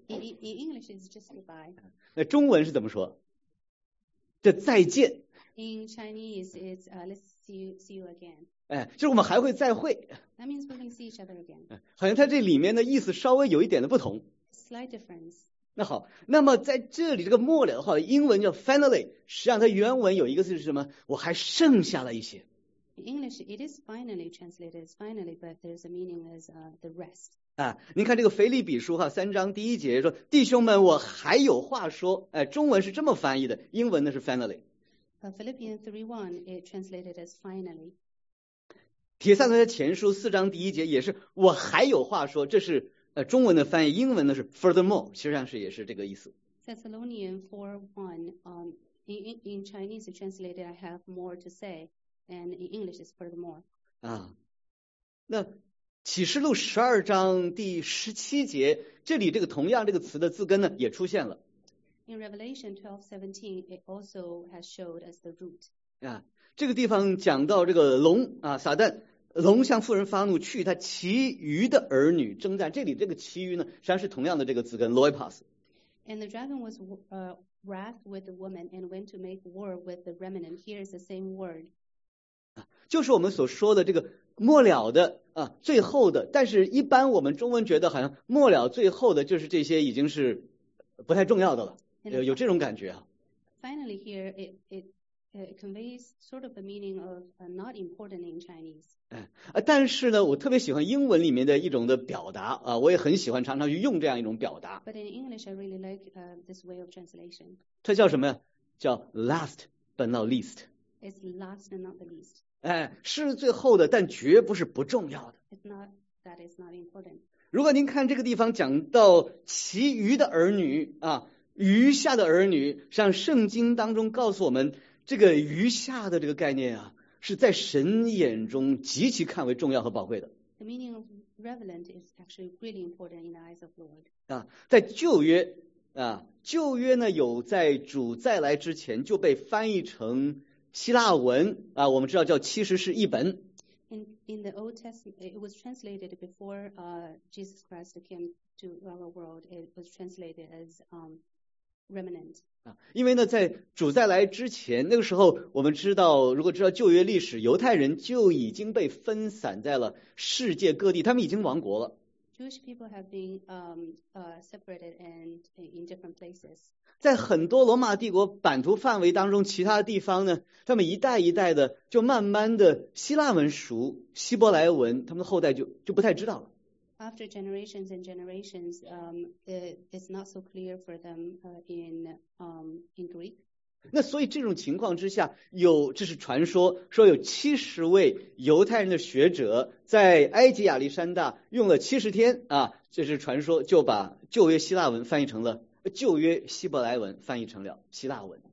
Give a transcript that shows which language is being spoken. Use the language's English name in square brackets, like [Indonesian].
[English] In English, it's just goodbye. [Chinese] 中文是怎么说？这再见。 [English] In Chinese, it's let's see you again. [Chinese] 就是我们还会再会。 [English] That means we can see each other again. [Chinese] 好像它这里面的意思稍微有一点的不同。 [English] Slight difference. [Chinese] 那好，那么在这里这个末了的话，英文叫 finally， 实际上它原文有一个字是什么？我还剩下了一些。 [English] In English, it is finally translated as finally, but there's a meaning as the rest. [Chinese] 您看这个腓立比书三章第一节说：“弟兄们，我还有话说。” 中文是这么翻译的，英文呢是 finally。 [English] Philippians 3:1 it translated as finally. [Chinese] 帖撒罗尼迦前书四章第一节也是我还有话说，这是。中文的翻译，英文的是 furthermore， 实际上是也是这个意思。 [English] Thessalonians 4:1 in Chinese translated I have more to say, and in English is furthermore. [Chinese] 那启示录十二章第十七节，这里这个同样这个词的字根呢也出现了。 [English] In Revelation 12:17, it also has showed as the root. [Chinese] 啊，这个地方讲到这个龙啊，撒旦，龙向妇人发怒，去他其余的儿女征战。这里这个其余呢，实际上是同样的这个字根 loipos。 [English] And the dragon was wrath with the woman and went to make war with the remnant. Here is the same word. [Chinese] 啊，就是我们所说的这个末了的啊，最后的。但是一般我们中文觉得好像末了最后的就是这些已经是不太重要的了，有这种感觉啊。 [English] Finally, here it conveys sort of the meaning of not important in Chinese. [Chinese] 哎，但是呢，我特别喜欢英文里面的一种的表达啊，我也很喜欢常常去用这样一种表达。 [English] But in English, I really like this way of translation. [Chinese] 它叫什么呀？叫 [English] last but not least. It's last but not the least. [Chinese] 哎，是最后的，但绝不是不重要的。 [English] It's not that it's not important. [Chinese] 如果您看这个地方讲到其余的儿女啊，余下的儿女，像圣经当中告诉我们。这个余下的这个概念啊，是在神眼中极其看为重要和宝贵的。 [English] The meaning of revelant is actually really important in the eyes of the Lord. [Chinese] 啊，在旧约啊，旧约呢有在主再来之前就被翻译成希腊文啊，我们知道叫七十世译本。 [English] In the Old Testament, it was translated before Jesus Christ came to our world. It was translated as remnant. [Chinese] 因为呢在主再来之前那个时候我们知道如果知道旧约历史犹太人就已经被分散在了世界各地他们已经亡国了 [English] Jewish people have been separated and in different places [Chinese] 在很多罗马帝国版图范围当中其他地方呢他们一代一代的就慢慢的希腊文熟希伯来文他们的后代就不太知道了 [English] After generations and generations, it's not so clear for them in Greek. [Chinese] 那所以这种情况之下，有这是传说，说有七十位犹太人的学者在埃及亚历山大用了七十天啊，这是传说，就把旧约希腊文翻译成了旧约希伯来文翻译成了希腊文。